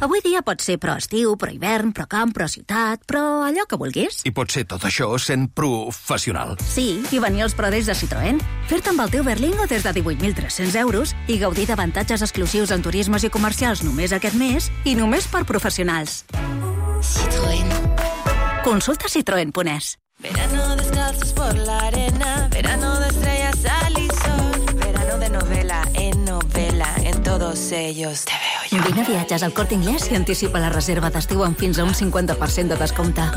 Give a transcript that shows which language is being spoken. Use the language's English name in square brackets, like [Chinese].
[Catalan] Avui dia pot ser pro estiu, pro hivern, pro camp, pro ciutat, pro allò que vulguis. I pot ser tot això sent professional. Sí, i venir als pro days de Citroën. Fer-te amb el teu Berlingo des de 18.300 euros i gaudir d'avantatges exclusius en turismes i comercials només aquest mes i només per professionals. Citroën. Consulta citroen.es. [Spanish] Verano descalzos por la arena, verano de estrellas, sal y sol. Verano de novela en novela, en todos ellos te veo. [Catalan] Vine a Viatges al Corte Inglés i anticipa la reserva d'estiu amb fins a un 50% de descompte.